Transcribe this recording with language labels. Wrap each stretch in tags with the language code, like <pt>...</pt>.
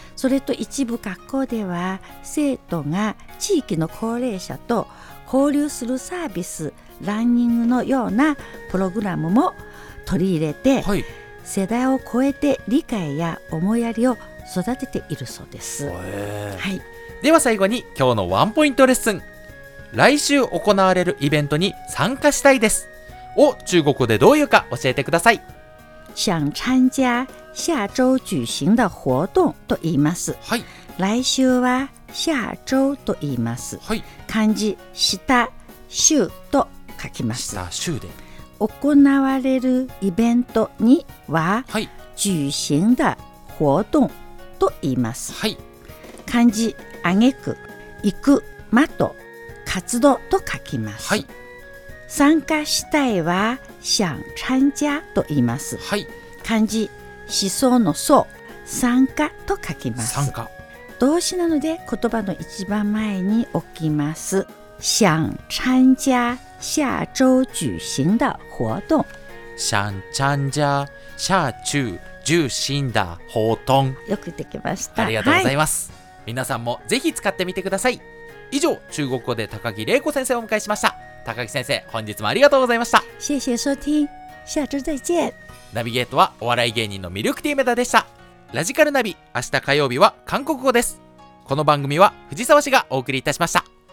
<ja>それと一部学校では生徒が地域の高齢者と交流するサービス、ランニングのようなプログラムも取り入れて、はい、世代を超えて理解や思いやりを育てているそうです、はい、では最後に今日のワンポイントレッスン、来週行われるイベントに参加したいですを中国語でどういうか教えてください。</ja> <zh>想参加下周举行的活动</zh> <ja>と言います、はい、来週は下周と言います、はい、漢字下週と書きます。下週で行われるイベントには、はい、</ja> <zh>举行的活动</zh> <ja>と言います、はい、漢字あげく、行く、まと、活動と書きます、はい、参加したいは想参加と言います、はい、漢字思想の想、参加と書きます。参加、動詞なので言葉の一番前に置きます。</ja> <zh>想参加下周举行的活动。想参加下周举行的活动。</zh> <ja>よくできました。ありがとうございます、はい、皆さんもぜひ使ってみてください。以上、中国語で高木玲子先生をお迎えしました。高木先生、本日もありがとうございました。</ja> <zh>谢谢收听，下周再见。</zh> <ja>ナビゲートはお笑い芸人のミルクティーメダでした。ラジカルナビ、明日火曜日は韓国語です。この番組は藤沢氏がお送りいたしました。</ja>